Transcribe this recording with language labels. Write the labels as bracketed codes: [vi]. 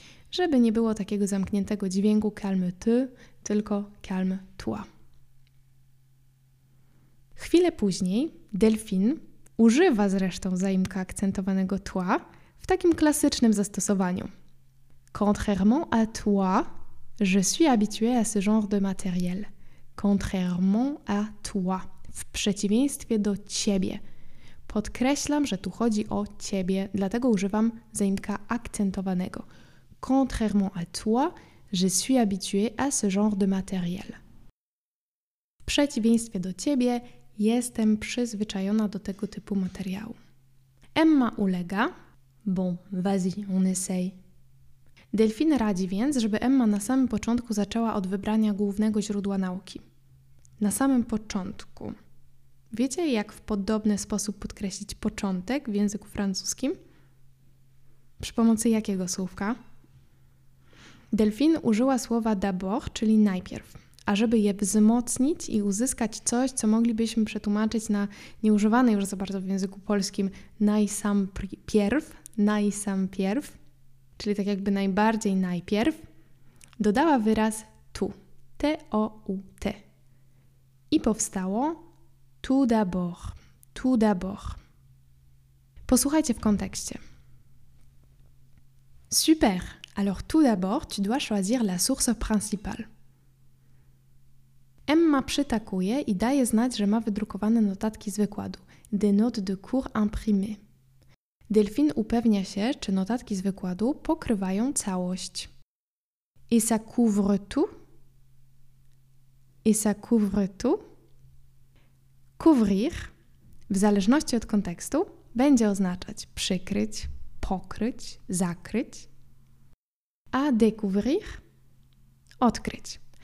[pl] Żeby nie było takiego zamkniętego dźwięku calme-ty, tylko calme-toi. Chwilę później Delfin używa zresztą zaimka akcentowanego toi w takim klasycznym zastosowaniu. [fr] Contrairement à toi, je suis habitué à ce genre de matériel. Contrairement à toi. [pl] W przeciwieństwie do ciebie. Podkreślam, że tu chodzi o ciebie, dlatego używam zaimka akcentowanego. [fr] Contrairement à toi, je suis habitué à ce genre de matériel. [pl] W przeciwieństwie do ciebie, jestem przyzwyczajona do tego typu materiału. Emma ulega. [fr] Bon, vas-y, on essaye. [pl] Delphine radzi więc, żeby Emma na samym początku zaczęła od wybrania głównego źródła nauki. Na samym początku. Wiecie, jak w podobny sposób podkreślić początek w języku francuskim? Przy pomocy jakiego słówka? Delphine użyła słowa d'abord, czyli najpierw. A żeby je wzmocnić i uzyskać coś, co moglibyśmy przetłumaczyć na nieużywane już za bardzo w języku polskim najsam pierw, czyli tak jakby najbardziej najpierw, dodała wyraz tu, T-O-U-T. I powstało tout d'abord, tout d'abord. Posłuchajcie w kontekście. [fr] Super, alors tout d'abord tu dois choisir la source principale. [pl] Emma przytakuje i daje znać, że ma wydrukowane notatki z wykładu. [fr] Des notes de cours imprimées. [pl] Delphine upewnia się, czy notatki z wykładu pokrywają całość. [fr] Et ça couvre tout? Et ça couvre tout? [pl] Couvrir, w zależności od kontekstu, będzie oznaczać przykryć, pokryć, zakryć. A découvrir? Odkryć.